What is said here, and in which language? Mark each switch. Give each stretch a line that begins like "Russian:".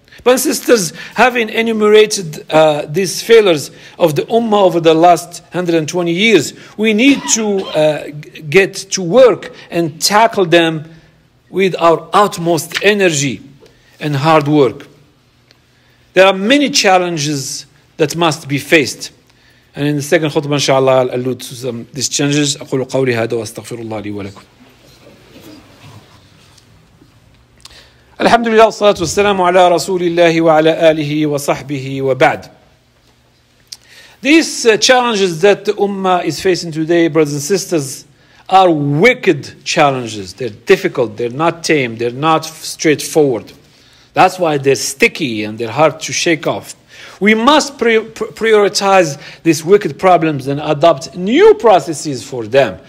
English: But sisters, having enumerated these failures of the ummah over the last 120 years, we need to get to work and tackle them with our utmost energy and hard work. There are many challenges that must be faced. And in the second khutbah, inshallah, I'll allude to some of these challenges.
Arabic: أقول قولي هذا وأستغفر الله لي ولكم. الحمد لله والصلاة والسلام على رسول الله وعلى آله وصحبه وبعد.
English: These challenges that the Ummah is facing today, brothers and sisters, are wicked challenges. They're difficult, they're not tame, they're not straightforward. That's why they're sticky and they're hard to shake off. We must prioritize these wicked problems and adopt new processes for them.